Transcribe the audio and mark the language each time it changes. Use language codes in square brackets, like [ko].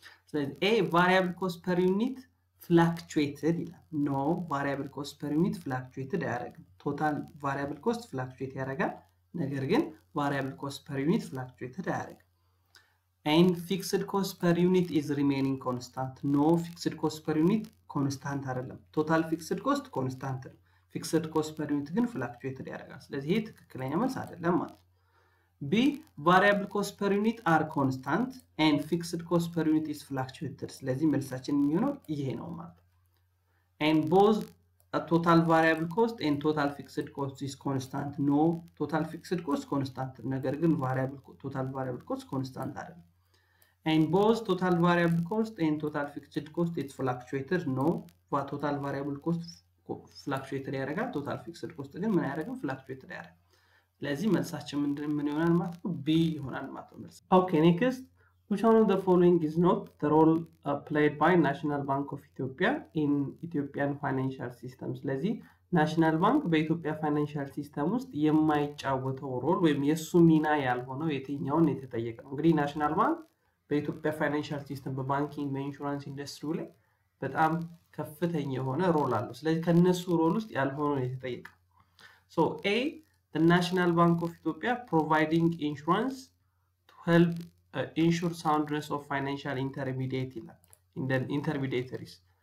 [en] ስለዚህ a variable cost per unit fluctuated ይላል no variable cost per unit fluctuated [am] አያረግም [en] total variable cost fluctuate ያረጋል ነገር ግን variable cost per unit fluctuated አያረግም and fixed cost per unit is remaining constant no fixed cost per unit constant አይደለም total fixed cost constant ነው fixed cost per unit ግን fluctuated ያረጋል ስለዚህ [am] ይሄ ትክክለኛ መልስ አይደለም ማለት [en] B, variable cost per unit are constant and fixed cost per unit is fluctuated. [am] ስለዚህ መልሳችን የሚሆነው ይሄ ነው ማለት [en] and both total variable cost and total fixed cost is constant. No, total fixed cost constant. [am] ነገር ግን [en] variable total variable cost constant አይደለም. And both total variable cost and total fixed cost is fluctuated. No, what total variable cost fluctuated ያረጋል total fixed cost [am] ግን ምን ያረጋል [en] fluctuated ያረጋል. [am] ለዚህ መልሳችን ምን ይሆናል ማለት ነው? B ይሆናል ማለት ነው መልስ. [en] Okay, next. Which one of the following is not the role played by National Bank of Ethiopia in Ethiopian financial system? [am] ስለዚህ National Bank በኢትዮጵያ financial system ውስጥ የማይጫወተው role ወይም የሱ ሚና ያልሆነው የትኛው ነው የተጠየቀው? እንግዲህ National Bank በኢትዮጵያ financial system በbanking በinsurance industry ላይ በጣም ከፍተኛ የሆነ role አለው። ስለዚህ ከነሱ role ውስጥ ያልሆነው የተጠየቀው። [en] So A, the National Bank of Ethiopia providing insurance to help ensure soundness of financial intermediaries in the intermediaries.